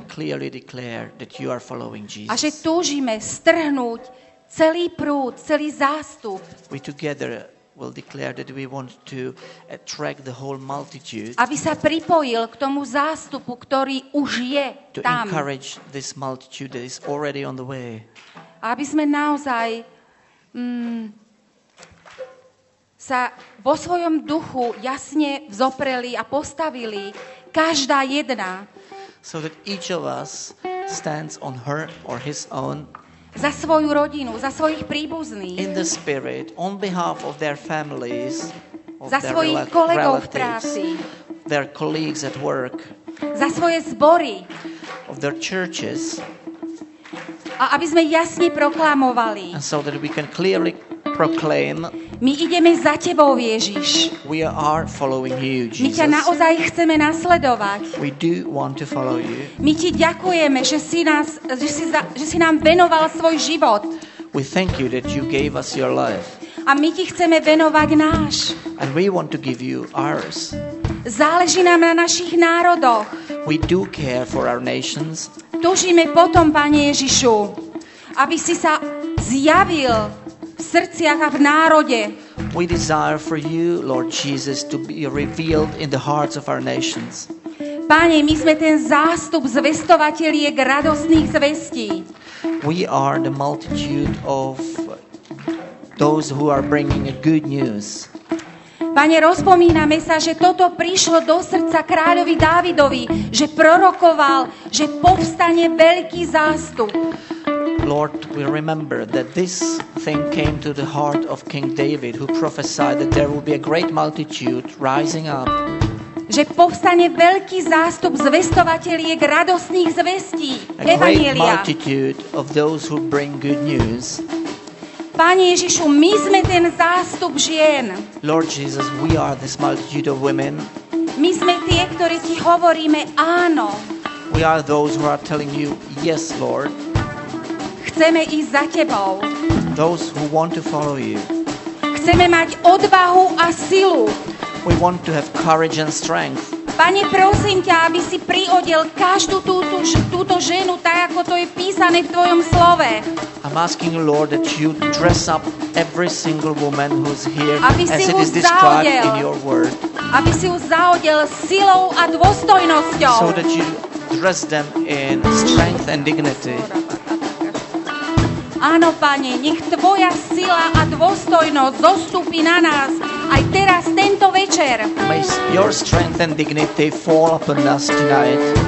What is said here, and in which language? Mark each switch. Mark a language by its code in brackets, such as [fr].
[en] and clearly declare that you are following Jesus. [sk] A že túžime strhnúť celý prúd, celý zástup. [en] We together will declare that we want to attract the whole multitude. [sk] Aby sa pripojil k tomu zástupu, ktorý už je to tam. [en] To encourage this multitude that is already on the way. [sk] Aby sme naozaj sa vo svojom duchu jasne vzopreli a postavili každá jedna. [en] So that each of us stands on her or his own. [sk] Za svoju rodinu, za svojich príbuzných. [en] In the spirit, on behalf of their families, [sk] za svojich kolegov v práci, [en] their colleagues at work, [sk] za svoje zbory, [en] of their churches, [sk] a aby sme jasne proklamovali, [en] and so that we can clearly proclaim, [sk] my ideme za tebou, Ježiš. [en] We are following you, Jesus. [sk] My ťa naozaj chceme nasledovať. [en] We do want to follow you. [sk] My ti ďakujeme, že si nám venoval svoj život. [en] We thank you that you gave us your life. [sk] A my ti chceme venovať náš. [en] And we want to give you ours. [sk] Záleží nám na našich národoch. [en] We do care for our nations. [sk] Túžime potom, Pane Ježišu, aby si sa zjavil v srdciach a v národe. [en] We desire for you, Lord Jesus, to be revealed in the hearts of our nations. [sk] Pane, my sme ten zástup zvestovateliek radostných zvestí. [en] We are the multitude of those who are bringing good news. [sk] Pane, rozpomíname sa, že toto prišlo do srdca kráľovi Dávidovi, že prorokoval, že povstane veľký zástup. [en] Lord, we remember that this thing came to the heart of King David, who prophesied that there will be a great multitude rising up. [sk] Že povstane veľký zástup zvestovateliek radostných zvestí, evanjelia. [en] A great multitude of those who bring good news. [sk] Pane Ježišu, my sme ten zástup žien. [en] Lord Jesus, we are this multitude of women. [sk] My sme tie, ktoré ti hovoríme áno. [en] We are those who are telling you, yes, Lord. [sk] Chceme ísť za tebou. [en] Those who want to follow you. [sk] Chceme mať odvahu a silu. [en] We want to have courage and strength. [sk] Pane, prosím ťa, aby si priodiel každú túto ženu tak, ako to je písané v Tvojom slove. [en] I'm asking the Lord that you dress up every single woman who's here as it is described in your word. [sk] Aby si ju zaodiel silou a dôstojnosťou. [en] So that you dress them in strength and dignity. [sk] Áno, Pane, nech Tvoja sila a dôstojnosť zostupí na nás aj teraz, tento večer. [en] May your strength and dignity fall upon us tonight.